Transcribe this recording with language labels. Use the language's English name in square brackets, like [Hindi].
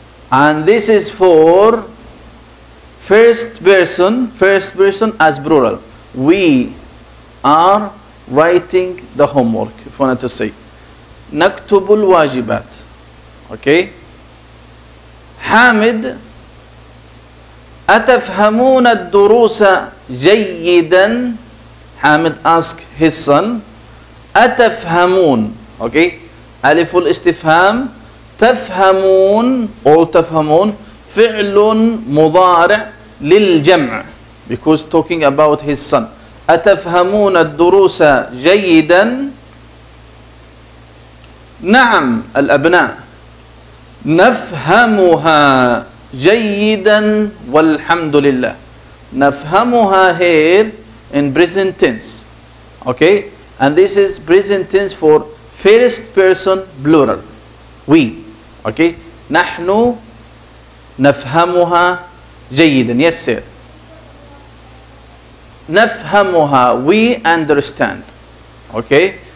[English] And this is for first person as plural. We are writing the homework, if you want to say. [Arabic] نكتب الواجبات. Okay. حامد أتفهمون الدروس جيدا؟ حامد [English] asked his son [Arabic] أتفهمون. [English] Okay. [Arabic] ألف الاستفهام تفهمون أو تفهمون فعل مضارع للجمع [English] because talking about his son. [Arabic] أتفهمون الدروس جيدا؟ نعم الأبناء نفهمها جيدا والحمد لله. [English] نفهمها here in present tense. Okay. And this is present tense for first person plural. We. Okay. [Arabic] نحن نفهمها جيدا. [English] Yes sir. نفهمها. We understand. Okay.